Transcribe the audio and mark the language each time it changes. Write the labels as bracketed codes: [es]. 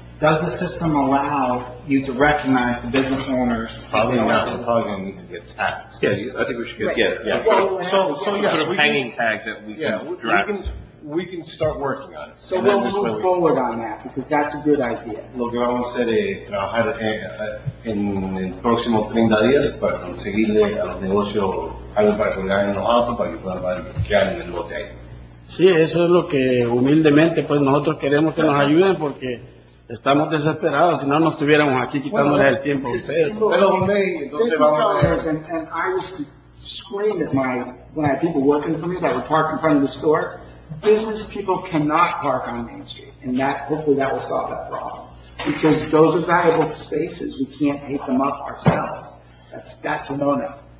[en] does the system allow you to recognize the business owners? Probably not. We're probably going to need to get taxed. Yeah, I think we should get, right. Yeah. We can start working on it. So we'll move forward on that, because that's a good idea. [es] Lo que vamos a hacer es trabajar en próximos 30 días para conseguirle a los negocios algo para colgar en los autos para que puedan parquear en el lote ahí. Sí, eso es lo que humildemente pues nosotros queremos que nos ayuden, porque estamos desesperados, si no nos estuviéramos aquí quitándole el tiempo a ustedes. Pero hombre, entonces vamos a ver. [en] I was screaming at my when I had people working for me that were parking in front of the store. Business people cannot park on Main Street, and that hopefully that will solve that problem, because those are valuable spaces. We can't take them up ourselves. That's a no-no.